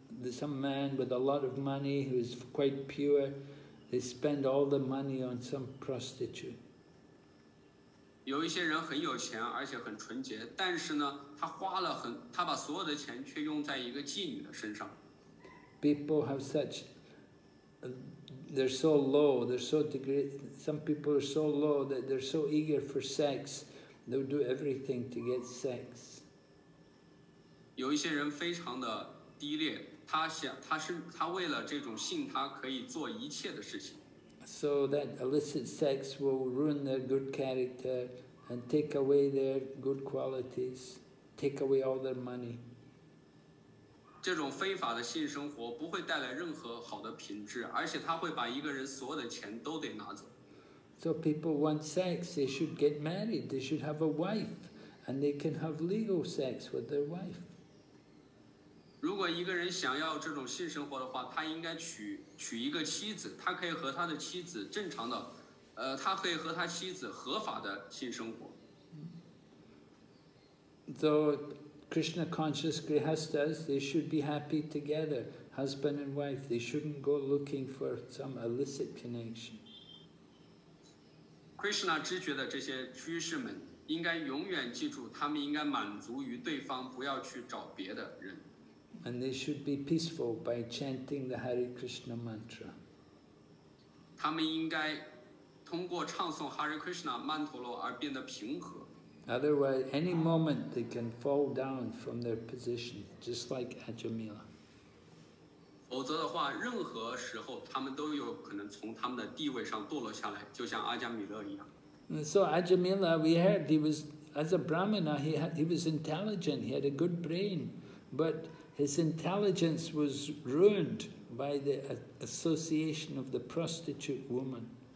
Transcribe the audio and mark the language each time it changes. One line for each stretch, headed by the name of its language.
English: Some man with a lot of money who is quite pure, they spend all the money on some prostitute.
Chinese: 有一些人很有钱，而且很纯洁，但是呢，他把所有的钱却用在一个妓女的身上。
English: People have such, they're so low, they're so degraded. Some people are so low that they're so eager for sex, they'll do everything to get sex.
Chinese: 有一些人非常的低劣，他为了这种性，他可以做一切的事情。
English: So that illicit sex will ruin their good character and take away their good qualities, take away all their money.
Chinese: 这种非法的性生活不会带来任何好的品质，而且它会把一个人所有的钱都得拿走。
English: So people want sex, they should get married, they should have a wife, and they can have legal sex with their wife.
Chinese: 如果一个人想要这种性生活的话，他应该娶一个妻子，他可以和他的妻子正常的，他可以和他妻子合法的性生活。
English: So Krishna conscious grihasthas, they should be happy together, husband and wife. They shouldn't go looking for some illicit connection.
Chinese: Krishna 知觉的这些居士们应该永远记住，他们应该满足于对方，不要去找别的人。
English: And they should be peaceful by chanting the Hare Krishna mantra.
Chinese: 他们应该通过唱诵 Hare Krishna 曼陀罗而变得平和。
English: Otherwise, any moment they can fall down from their position, just like Ajamila.
Chinese: 否则的话，任何时候他们都有可能从他们的地位上堕落下来，就像阿加米勒一样。
English: And so Ajamila, we heard he was as a Brahmana, he was intelligent, he had a good brain, but his intelligence was ruined by the association of the prostitute woman.